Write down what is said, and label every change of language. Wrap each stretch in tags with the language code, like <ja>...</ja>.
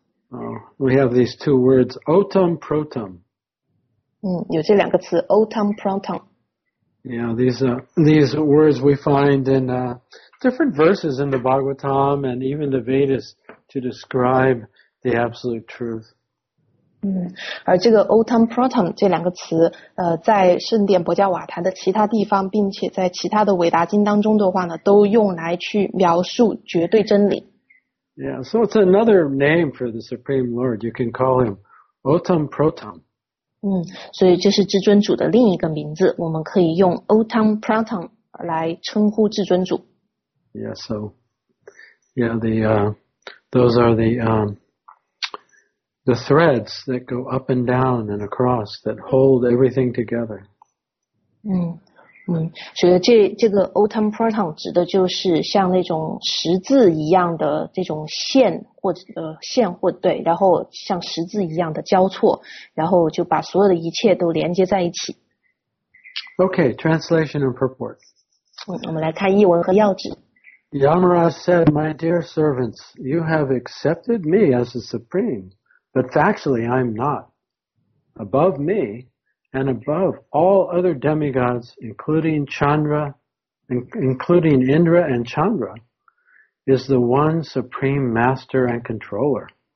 <en>oh, We have these two words Otam Protam、</en> <zh>有这两个词 Otam Protam</zh> <en>Yeah, these words we find in different verses in the Bhagavatam and even the Vedas to describe the absolute truth</en> <zh>而这个 Otam Protam 这两个词在圣殿博迦瓦坛的其他地方并且在其他的伟达经当中的话呢都用来去描述绝对真理</zh> <en>Yeah, so it's another name for the Supreme Lord You can call him Otam Protam</en> <zh>所以这是至尊主的另一个名字我们可以用 Otam Protam 来称呼至尊主</zh> <en>Yeah, so Yeah, those are the the threads that go up and down and across that hold everything together.</en> <zh>所以这个 autumn proton 指的就是像那种十字一样的这种线或者线或对，然后像十字一样的交错，然后就把所有的一切都连接在一起。</zh> <en>Okay, translation and purport.</en> <zh>我们来看译文和要旨。</zh> <en>Yamaraj said, "My dear servants, you have accepted me as the supreme, but factually I'm not. Above me, and above all other demigods, including Chandra, including Indra and Chandra, is the one supreme master and controller.</en>